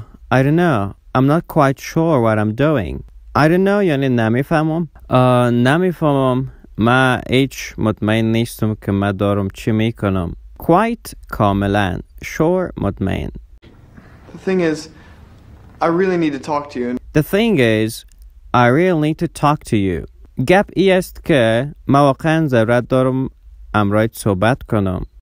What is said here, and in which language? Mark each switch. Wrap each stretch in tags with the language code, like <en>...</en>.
<en>I don't know. I'm not quite sure what I'm doing. I don't know.</en> <fa>یعنی نمیفهمم. نمیفهمم. ما هیچ مطمئن نیستم که ما دارم چی میکنم.</fa> <en>Quite کاملا. Sure مطمئن. The thing is, I really need to talk to you.</en> <fa>گپ ای است که ما واقعا ضرورت دارم امروز صحبت کنم.</fa>